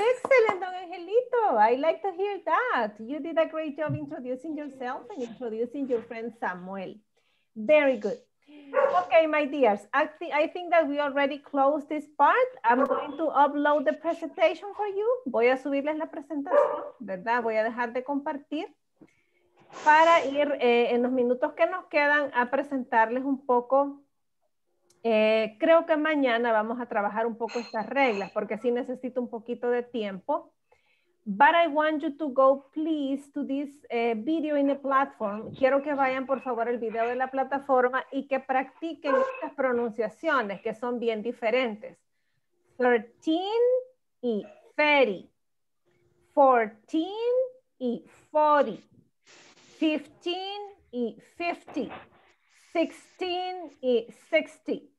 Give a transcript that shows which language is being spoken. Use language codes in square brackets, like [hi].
[en] Excellent, Don Angelito. I like to hear that. You did a great job introducing yourself and introducing your friend Samuel. Very good. Okay, my dears, I think that we already closed this part. I'm going to upload the presentation for you. [es] Voy a subirles la presentación, ¿verdad? Voy a dejar de compartir para ir en los minutos que nos quedan a presentarles un poco. Creo que mañana vamos a trabajar un poco estas reglas porque sí necesito un poquito de tiempo. [en] But I want you to go, please, to this video in the platform. [es] Quiero que vayan, por favor, al video de la plataforma y que practiquen estas pronunciaciones, que son bien diferentes. 13 y 30. 14 y 40. 15 y 50. 16 y 60.